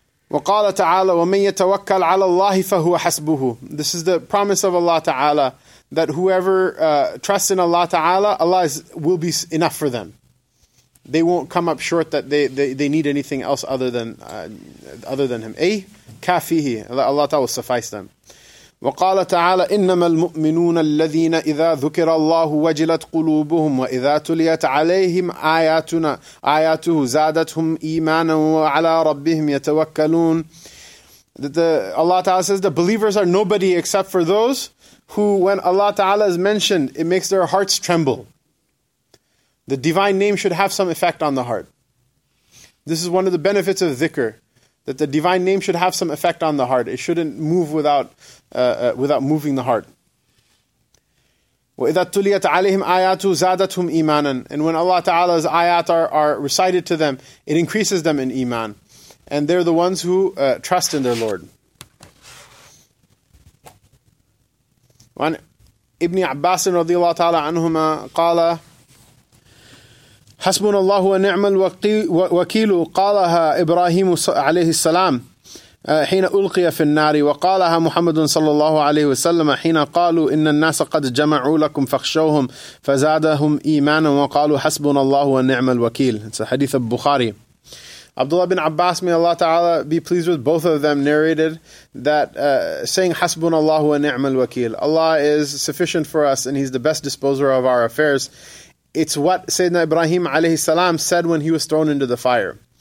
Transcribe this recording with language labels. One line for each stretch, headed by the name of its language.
Arabic: وَقَالَ تَعَالَى وَمَنْ يَتَوَكَّلْ عَلَى اللَّهِ فَهُوَ حَسْبُهُ.
English: This is the promise of Allah Ta'ala. That whoever trusts in Allah Ta'ala, Allah will be enough for them. They won't come up short that they need anything else other than Him. Eh? Kafihi. Allah Ta'ala will suffice them.
Arabic: وقال تعالى إنما المؤمنون الذين إذا ذكر الله وجلت قلوبهم وإذا تليت عليهم آياته زادتهم إيمانا وعلى ربهم يتوكلون.
English: Allah Ta'ala says the believers are nobody except for those who, when Allah Ta'ala is mentioned, it makes their hearts tremble. The divine name should have some effect on the heart. This is one of the benefits of dhikr, that the divine name should have some effect on the heart. It shouldn't move without moving the heart.
Arabic: وَإِذَا تُلِيَتْ عَلَيْهِمْ آيَاتُ زَادَتْهُمْ إِيمَانًا.
English: And when Allah Ta'ala's ayat are recited to them, it increases them in iman. And they're the ones who trust in their Lord.
Arabic: وَعَنْ إِبْنِ عَبَّاسٍ رَضِيَ اللَّهُ تَعَالَىٰ عَنْهُمَا قَالَ حَسْبُنَ اللَّهُ وَنِعْمَ الْوَكِيلُ قَالَهَا إِبْرَاهِيمُ عَلَيْهِ السَّلَامُ حين ألقي في النار وقالها محمد صلى الله عليه وسلم حين قالوا إن الناس قد جمعوا لكم فاخشوهم فزادهم إيمانا وقالوا حسبنا الله ونعم الوكيل.
English: It's a hadith of Bukhari. Abdullah bin Abbas, may Allah Ta'ala be pleased with both of them, narrated that saying
Arabic: حسبنا الله ونعم الوكيل,
English: Allah is sufficient for us and He's the best disposer of our affairs. It's what Sayyidina Ibrahim alayhi salam said when he was thrown into the fire.